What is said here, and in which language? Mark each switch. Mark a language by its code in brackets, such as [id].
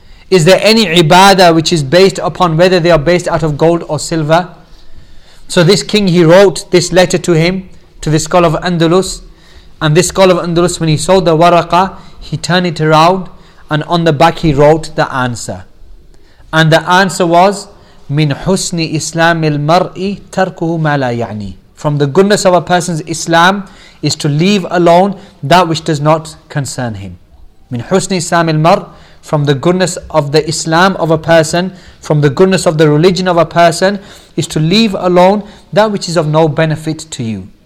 [en] Is there any ibadah which is based upon whether they are based out of gold or silver? So this king, he wrote this letter to him, to the scholar of Andalus. And this scholar of Andalus, when he saw the waraqa, he turned it around and on the back he wrote the answer. And the answer was, [ar] مِنْ حُسْنِ إِسْلَامِ الْمَرْءِ تَرْكُهُ مَا لَا يَعْنِي. [en] From the goodness of a person's Islam is to leave alone that which does not concern him. [ar] مِنْ حُسْنِ إِسْلَامِ الْمَرْءِ. [en] From the goodness of the Islam of a person, from the goodness of the religion of a person, is to leave alone that which is of no benefit to you.